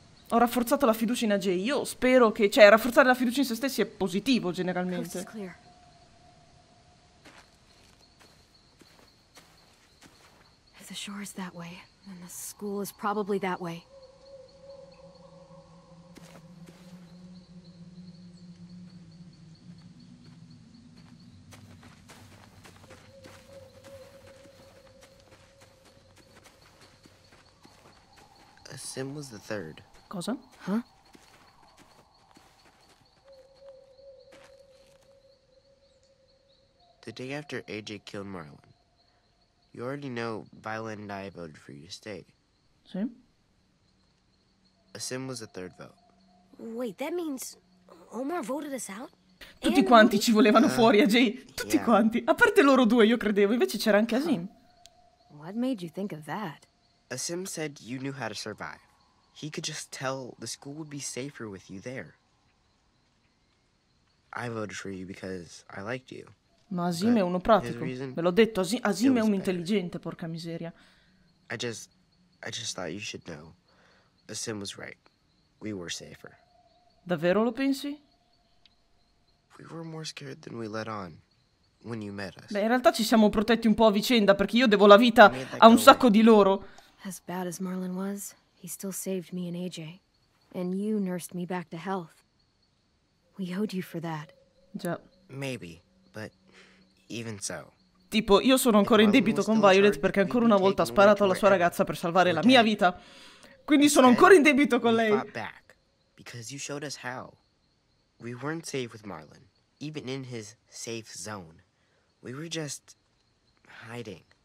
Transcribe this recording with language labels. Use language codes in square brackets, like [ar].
[it] Ho rafforzato la fiducia in AJ. Io spero che... Cioè, rafforzare la fiducia in se stessi è positivo, generalmente. [en] The shore is that way, and the school is probably that way. Sim was the third. [it] Cosa? Huh? [en] day after AJ killed Marlon. You already know Viola and I voted for you to stay. Sim? A sim was the third vote. Wait, that means Omar voted us out? [it] Tutti quanti ci volevano fuori, AJ. Tutti yeah. quanti. A parte loro due, io credevo. Invece c'era anche Asim. [en] What made you think of that? Asim said you knew how to survive. He could just tell the school would be safer with you there. I voted for you because I liked you. [it] Ma Asim è uno pratico. Ve l'ho detto, Asim è un intelligente, porca miseria. [en] I just thought you should know. Asim was right. We were safer. [it] Davvero lo pensi? [en] We were more scared than we let on when you met us. [it] Beh, in realtà ci siamo protetti un po' a vicenda, perché io devo la vita a un sacco di loro. [en] As bad as Marlon was, he still saved me and AJ. And you nursed me back to health. We owed you for that. [it] Già. [en] Maybe, but even so. [it] Tipo, io sono ancora in debito con Violet perché ancora una volta ha sparato alla sua ragazza per salvare la mia vita. Quindi sono ancora in debito con lei. [en] Because you showed us how. We weren't safe with Marlon, even in his safe zone. We were just hiding.